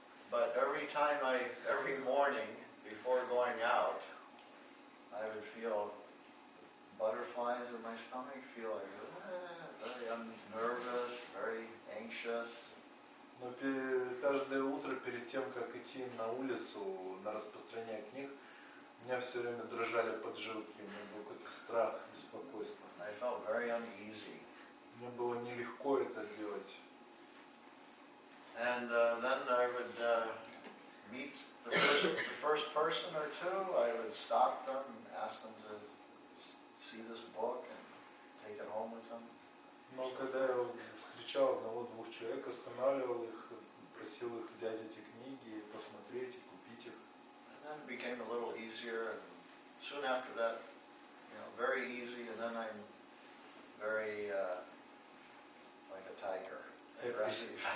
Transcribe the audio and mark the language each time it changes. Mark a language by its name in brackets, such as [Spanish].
[English] But every time every morning before going out, I would feel butterflies in my stomach, feel like, very nervous, very anxious. [Russian] Но каждое утро перед тем, как идти на улицу, на распространение книг, у меня все время дрожали поджилки, у меня был какой-то страх, беспокойство. [English] I felt very uneasy. [Russian] Мне было нелегко это делать. [English] And then I would meet the first person or two, I would stop them and ask them to see this book and take it home with them. [Russian] Но когда я встречал одного-двух человек, останавливал их, просил их взять эти книги, посмотреть и купить их. [English] And then it became a little easier, and soon after that, very easy, and then I'm very like a tiger, aggressive.